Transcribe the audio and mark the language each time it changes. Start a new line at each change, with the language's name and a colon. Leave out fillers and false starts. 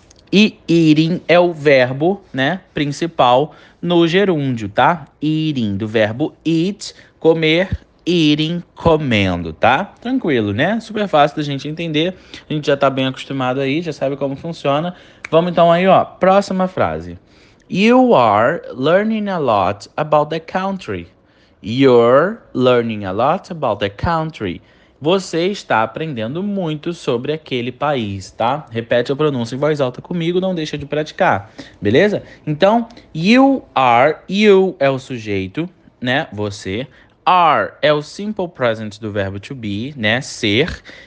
Portuguese: E eating é o verbo, né, principal no gerúndio, tá? Eating, do verbo eat, comer, eating, comendo, tá? Tranquilo, né? Super fácil da gente entender. A gente já tá bem acostumado aí, já sabe como funciona. Vamos então aí, ó, próxima frase.
English: You are learning a lot about the country. You're learning a lot about the country.
Portuguese: Você está aprendendo muito sobre aquele país, tá? Repete a pronúncia em voz alta comigo, não deixa de praticar, beleza? Então, you are, you é o sujeito, né? Você. Are é o simple present do verbo to be, né? Ser.